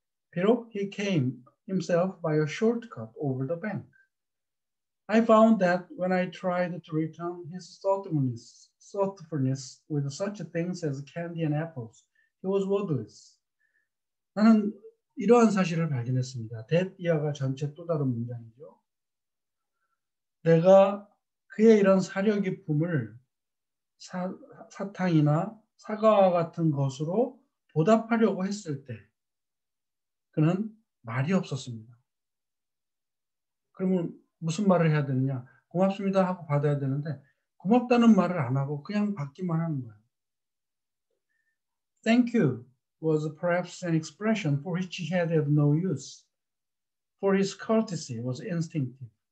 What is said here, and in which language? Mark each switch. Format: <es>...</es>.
<en>비록 he came himself by a shortcut over the bank. I found that when I tried to return his thoughtfulness with such things as candy and apples, he was worthless.</en> <ko>나는 이러한 사실을 발견했습니다. That 이하가 전체 또 다른 문장이죠. 내가 그의 이런 사려 깊음을 사탕이나 사과와 같은 것으로 보답하려고 했을 때 그는 말이 없었습니다. 그러면 무슨 말을 해야 되느냐? 고맙습니다 하고 받아야 되는데 고맙다는 말을 안 하고 그냥 받기만 하는 거예요.</ko> <en>Thank you was perhaps an expression for which he had no use, for his courtesy was instinctive.</en>